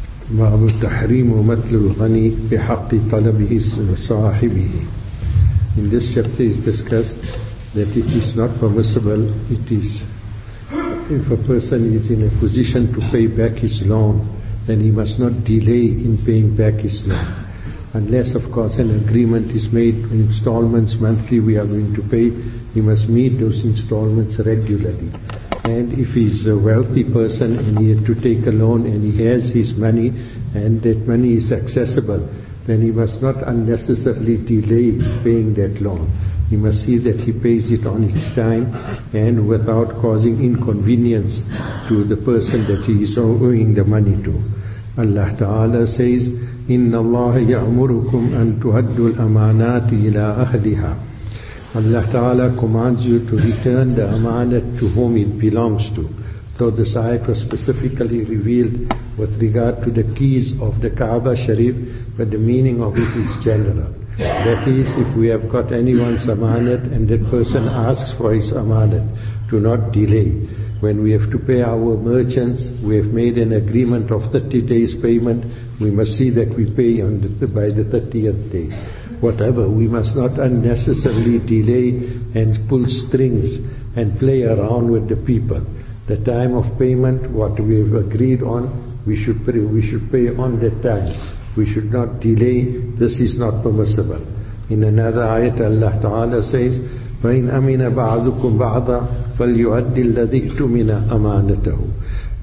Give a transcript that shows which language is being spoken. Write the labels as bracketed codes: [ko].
[ar] باب تحريم متل الغني بحق طلبه صاحبه. [en] In this chapter is discussed that it is not permissible, it is, if a person is in a position to pay back his loan, then he must not delay in paying back his loan. Unless, of course, an agreement is made, installments monthly we are going to pay, he must meet those installments regularly. And if he is a wealthy person and he had to take a loan and he has his money and that money is accessible, then he must not unnecessarily delay paying that loan. He must see that he pays it on its time and without causing inconvenience to the person that he is owing the money to. Allah Ta'ala says, [ar] إِنَّ اللَّهَ يَأْمُرُكُمْ أَن تُهَدُّ الْأَمَانَاتِ إِلَىٰ أَهْلِهَا. [en] Allah Ta'ala commands you to return the amanat to whom it belongs to. Though this ayat was specifically revealed with regard to the keys of the Kaaba Sharif, but the meaning of it is general. That is, if we have got anyone's amanat and that person asks for his amanat, do not delay. When we have to pay our merchants, we have made an agreement of 30 days payment, we must see that we pay on by the 30th day. Whatever, we must not unnecessarily delay and pull strings and play around with the people. The time of payment, what we have agreed on, we should pay on that time. We should not delay. This is not permissible. In another ayat, Allah Ta'ala says, [ar] فَإِنْ أَمِنَ بَعْضُكُمْ بَعْضًا فَلْيُؤَدِّ الَّذِي اؤْتُمِنَ أَمَانَتَهُ.